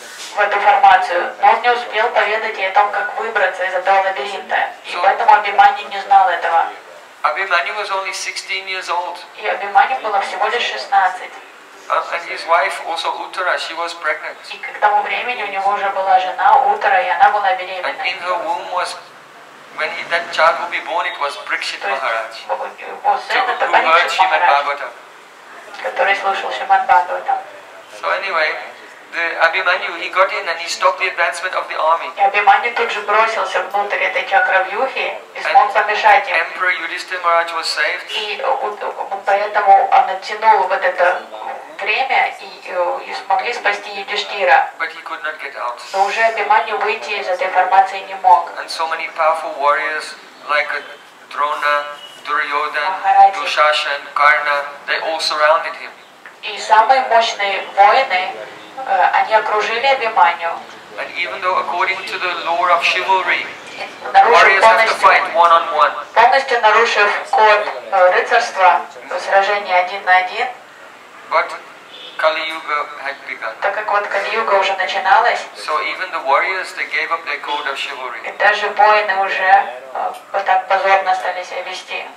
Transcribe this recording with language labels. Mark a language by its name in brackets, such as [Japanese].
[Russian] В эту формацию, но он не успел поведать ей о том, как выбраться из этого лабиринта. Поэтому Абиманью не знал этого. [English] Абиманью was only 16 years old. [Russian] И Абиманью было всего лишь 16. [English] And his wife also Uttara, she was pregnant. [Russian] И к тому времени у него уже была жена Уттара, и она была беременна. [English] And in her womb was when he, that child would be born, it was Прикшит Махарадж. Who heard Shrimad Bhagavatam. [Russian] Который слушал Шримад Бхагаватам. [English] So anyway, the Abhimanyu, he got in and he stopped the advancement of the army. [Russian] И Абиманью тут же бросился внутрь этой чакравьюхи и смог помешать им. [English] Emperor Yudhishthira Maharaj was saved. [Russian] И поэтому он оттянул вот это время и смогли спасти Юдиштира. [English] But he could not get out. [Russian] Но уже Абиманью выйти из этой формации не мог. [English] And so many powerful warriors like Drona, Duryodhan, Dushasan, Karna, they all surrounded him. [Russian] И самые мощные воины, они окружили Абиманью. [English] And even though according to the law of chivalry, warriors have to fight one on one. [Russian] Полностью нарушив код рыцарства, сражение один на один. [English] But Kali-Yuga had begun. [Russian] Так как вот Кали-Юга уже начиналась. [English] So even the warriors, they gave up their code of chivalry. [Russian] И даже воины уже вот так позорно стали себя вести.